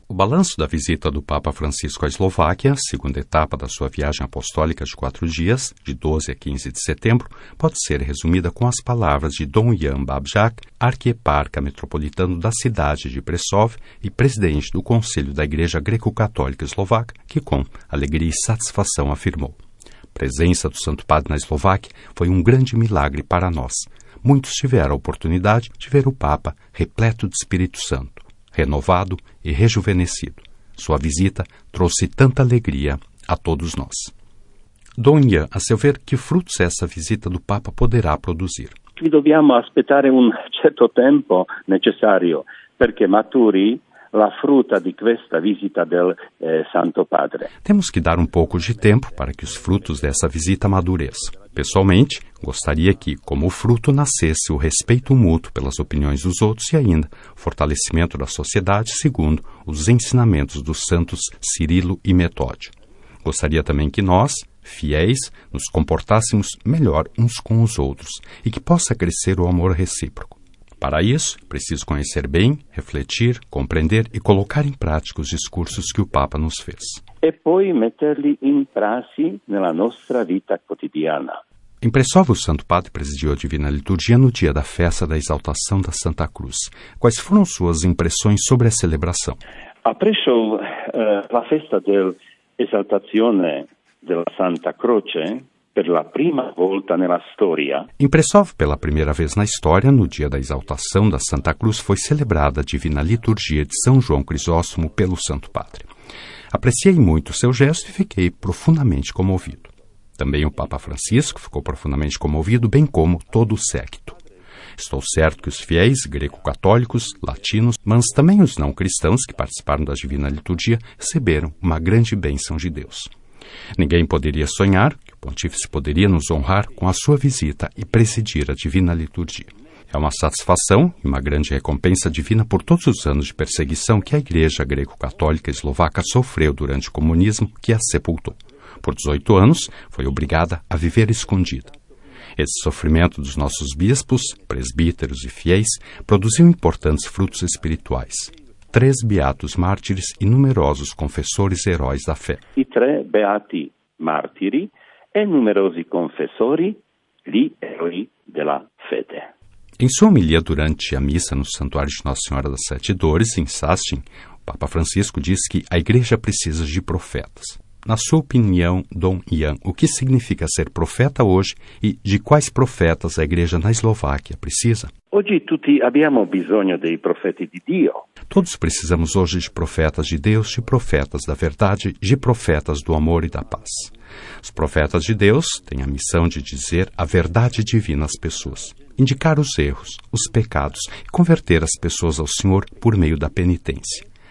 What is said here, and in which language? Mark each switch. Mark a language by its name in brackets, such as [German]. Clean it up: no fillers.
[Portuguese] O balanço da visita do Papa Francisco à Eslováquia, segunda etapa da sua viagem apostólica de 4 dias, de 12 a 15 de setembro, pode ser resumida com as palavras de Dom Jan Babjak, arquieparca metropolitano da cidade de Prešov e presidente do Conselho da Igreja Greco-Católica Eslovaca, que com alegria e satisfação afirmou: "Presença do Santo Padre na Eslováquia foi um grande milagre para nós. Muitos tiveram a oportunidade de ver o Papa repleto de Espírito Santo, renovado e rejuvenescido. Sua visita trouxe tanta alegria a todos nós." Dom Ian, a seu ver, que frutos essa visita do Papa poderá produzir? [Italian] Que dobbiamo aspettare un certo tempo necessario perché maturi la frutta di questa visita del Santo Padre. [Portuguese] Temos que dar um pouco de tempo para que os frutos dessa visita amadureçam. Pessoalmente, gostaria que, como fruto, nascesse o respeito mútuo pelas opiniões dos outros e ainda fortalecimento da sociedade segundo os ensinamentos dos santos Cirilo e Metódio. Gostaria também que nós, fiéis, nos comportássemos melhor uns com os outros e que possa crescer o amor recíproco. Para isso, preciso conhecer bem, refletir, compreender e colocar em prática os discursos que o Papa nos fez. [Italian] E poi metterli in prassi nella nostra vita quotidiana. [Portuguese] Em Prešov, o Santo Padre presidiu a Divina Liturgia no dia da festa da Exaltação da Santa Cruz. Quais foram suas impressões sobre a celebração? [Italian] A Prešov, la festa della Esaltazione della Santa Croce, per la prima volta nella storia. [Portuguese] Em Prešov, pela primeira vez na história, no dia da Exaltação da Santa Cruz, foi celebrada a Divina Liturgia de São João Crisóstomo pelo Santo Padre. Apreciei muito o seu gesto e fiquei profundamente comovido. Também o Papa Francisco ficou profundamente comovido, bem como todo o séquito. Estou certo que os fiéis greco-católicos, latinos, mas também os não-cristãos que participaram da Divina Liturgia, receberam uma grande bênção de Deus. Ninguém poderia sonhar que o pontífice poderia nos honrar com a sua visita e presidir a Divina Liturgia. É uma satisfação e uma grande recompensa divina por todos os anos de perseguição que a Igreja greco-católica eslovaca sofreu durante o comunismo que a sepultou. Por 18 anos, foi obrigada a viver escondida. Esse sofrimento dos nossos bispos, presbíteros e fiéis produziu importantes frutos espirituais. três beatos mártires e numerosos confessores heróis da fé. [Italian] I tre beati martiri e numerosi confessori, gli eroi della fede. [Portuguese] Em sua homilia durante a missa no Santuário de Nossa Senhora das Sete Dores, em Sassin, o Papa Francisco diz que a Igreja precisa de profetas. Na sua opinião, Dom Ian, o que significa ser profeta hoje e de quais profetas a Igreja na Eslováquia precisa? Hoje [Italian] tutti abbiamo bisogno dei profeti di Dio. [Portuguese] Todos precisamos hoje de profetas de Deus, de profetas da verdade, de profetas do amor e da paz. Os profetas de Deus têm a missão de dizer a verdade divina às pessoas, indicar os erros, os pecados e converter as pessoas ao Senhor por meio da penitência.